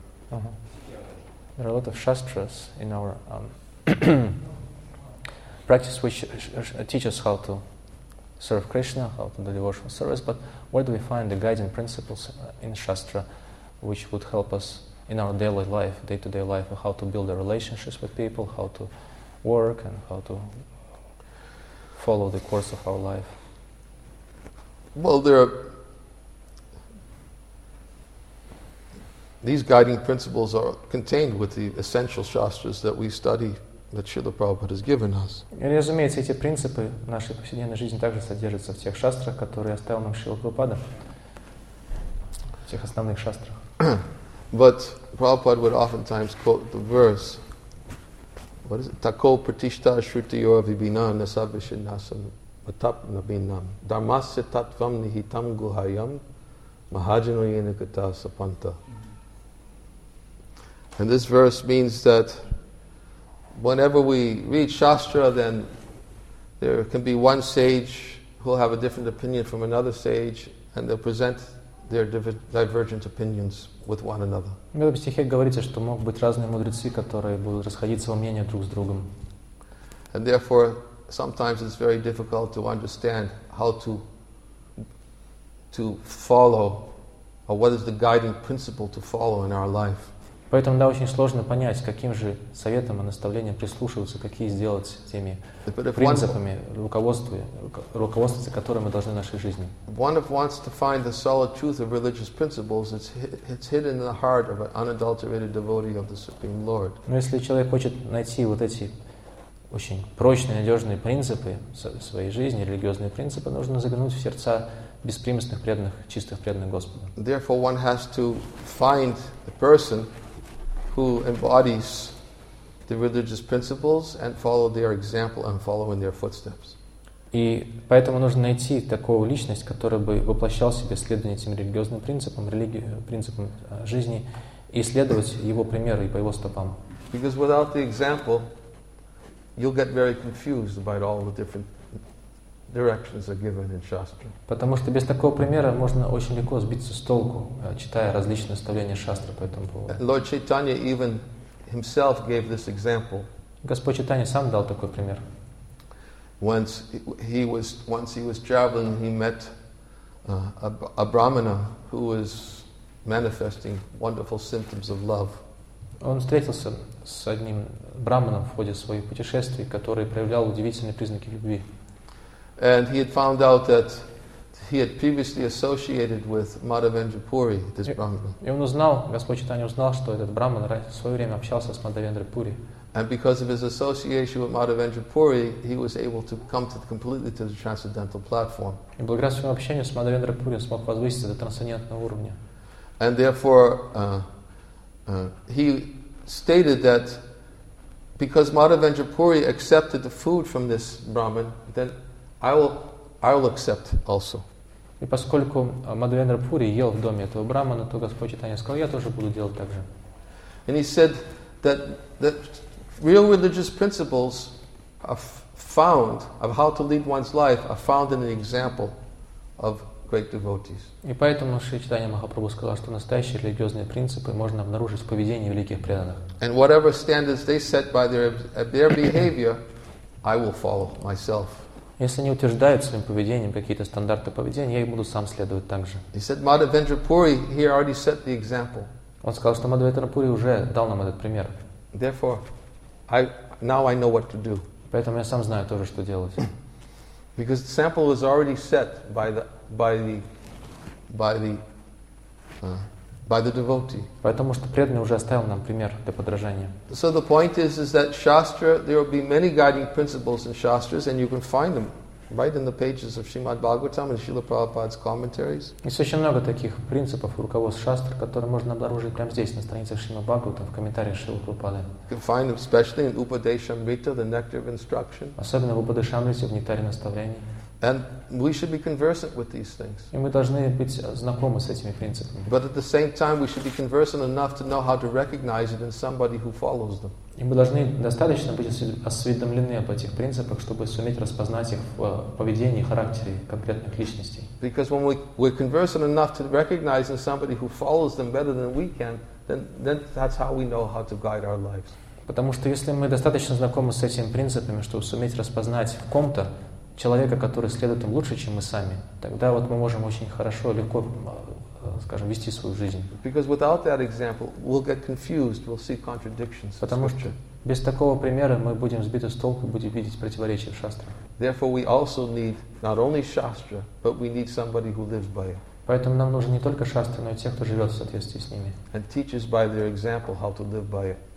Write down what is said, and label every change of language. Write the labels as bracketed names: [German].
[English] There are a lot of shastras in our practice which teach us how to serve Krishna, how to do devotional service, but where do we find the guiding principles in shastra which would help us in our daily life, day-to-day life, how to build the relationships with people, how to work and how to follow the course of our life? Well, there are these guiding principles are contained with the essential shastras that we study that Srila Prabhupada has given us. [Russian] И, разумеется, эти принципы нашей повседневной жизни также содержатся в тех шастрах, которые оставил нам Шрила Прабхупада, в тех основных шастрах. [English] But Prabhupada would oftentimes quote the verse, what is it? [Sanskrit] Tako pratishta shruti yo avibhina nasabhishinasam matapnabhinam dharmasya tatvam nihitam guhayam mahajano yenakata sapanta. [English] And this verse means that whenever we read Shastra, then there can be one sage who will have a different opinion from another sage, and they'll present their divergent opinions with one another. [Russian] В этом стихе говорится, что могут быть разные мудрецы, которые будут расходиться во мнении друг с другом. [English] And therefore, sometimes it's very difficult to understand how to follow, or what is the guiding principle to follow in our life. [Russian] Поэтому, да, очень сложно понять, каким же советом и наставлением прислушиваться, какие сделать теми принципами, руководствами, которые мы должны в нашей жизни. [English] One wants to find the solid truth of religious principles, it's hidden in the heart of an unadulterated devotee of the Supreme Lord. [Russian] Но если человек хочет найти вот эти очень прочные, надежные принципы своей жизни, религиозные принципы, нужно заглянуть в сердца беспримесных преданных, чистых преданных Господа. [English] Therefore, one has to find the person who embodies the religious principles and follow their example and follow in their footsteps. [Russian] И поэтому нужно найти такую личность, которая бы воплощала в себе следование этим религиозным принципам, принципам жизни, и следовать его примеру и по его стопам. [English] Because without the example, you'll get very confused about all the different directions are given in Shastra. [Russian] Потому что без такого примера можно очень легко сбиться с толку, читая различные наставления Шастры по этому поводу. [English] Lord Chaitanya even himself gave this example. [Russian] Господь Чайтанья сам дал такой пример. [English] Once he was traveling, he met a brahmana who was manifesting wonderful symptoms of love. [Russian] Он встретился с одним брахманом в ходе своих путешествий, который проявлял удивительные признаки любви. [English] And he had found out that he had previously associated with Madhavendra Puri, this Brahmana. [Russian] И он узнал, Господь Чайтанья узнал, что этот Брахман в свое время общался с Мадхавендрой Пури. [English] And because of his association with Madhavendra Puri, he was able to come completely to the transcendental platform. [Russian] И благодаря своему общению с Мадхавендрой Пури смог возвыситься до трансцендентного уровня. [English] And therefore, he stated that because Madhavendra Puri accepted the food from this Brahman, then I will accept also. [Russian] И поскольку Мадхавендра Пури ел в доме этого брахмана, то Господь Чайтанья сказал, я тоже буду делать так же. [English] And he said that real religious principles are found of how to lead one's life are found in the example of great devotees. [Russian] И поэтому Шри Чайтанья Махапрабху сказал, что настоящие религиозные принципы можно обнаружить в поведении великих преданных. [English] And whatever standards they set by their behavior, I will follow myself. [Russian] Если они утверждают своим поведением какие-то стандарты поведения, я их буду сам следовать так же. [English] He said, Madhavendra Puri, he already set the example. [Russian] Он сказал, что Мадхавендра Пури уже дал нам этот пример. [English] Therefore, now I know what to do. [Russian] Поэтому я сам знаю тоже, что делать. [English] Because the sample was already set by the devotee. [Russian] Потому что преданный уже оставил нам пример для подражания. [English] So the point is that Shastra, there will be many guiding principles in Shastras, and you can find them right in the pages of Srimad Bhagavatam and Srila Prabhupada's commentaries. [Russian] Есть очень много таких принципов и руководств Шастр, которые можно обнаружить прямо здесь, на страницах Шримад Бхагаватам, в комментариях Шрилы Прабхупады. [English] You can find them especially in Upadeshamrita, the Nectar of Instruction. [Russian] Особенно в Упадешамрите, в Нектаре Наставлений. [English] And we should be conversant with these things. [Russian] И мы должны быть знакомы с этими принципами. [English] But at the same time, we should be conversant enough to know how to recognize it in somebody who follows them. [Russian] И мы должны достаточно быть осведомлены об этих принципах, чтобы суметь распознать их в поведении и характере конкретных личностей. [English] Because when we're conversant enough to recognize in somebody who follows them better than we can, then that's how we know how to guide our lives. [Russian] Потому что если мы достаточно знакомы с этими принципами, чтобы суметь распознать в ком-то человека, который следует им лучше, чем мы сами, тогда вот мы можем очень хорошо, легко, скажем, вести свою жизнь. [English] Because without that example, we'll get confused, we'll see contradictions. [Russian] Потому что без такого примера мы будем сбиты с толку, будем видеть противоречия в шастрах. [English] Therefore, we also need not only shastra, but we need somebody who lives by it. [Russian] Поэтому нам нужны не только шастры, но и те, кто живет в соответствии с ними. [English] And teaches by their example how to live by it.